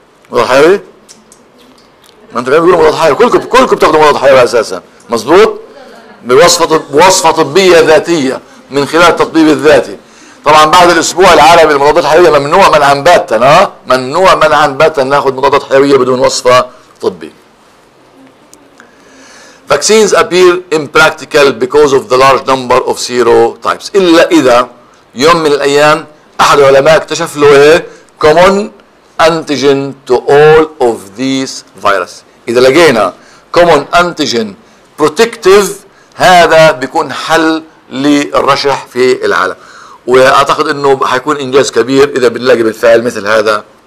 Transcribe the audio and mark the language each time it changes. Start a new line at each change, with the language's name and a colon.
Arabic: واضح حبيبي؟ ما انتوا بيقولوا مضاد حيوي، كلكم بتاخذوا مضاد حيوي اساسا، مظبوط؟ بوصفه طبيه ذاتيه من خلال التطبيب الذاتي. طبعا بعد الاسبوع العالمي للمضادات الحيويه ممنوع منعا باتا، ممنوع منعا باتا ناخذ مضادات حيويه بدون وصفه طبيه.
English: Vaccines appear impractical because of the large number of serotypes.
Arabic: الا اذا يوم من الايام احد العلماء اكتشف له ايه؟
English: common antigen to all of these virus.
Arabic: إذا لقينا
English: common antigen protective
Arabic: هذا بيكون حل للرشح في العالم، وأعتقد أنه حيكون إنجاز كبير إذا بنلاقي بالفعل مثل هذا.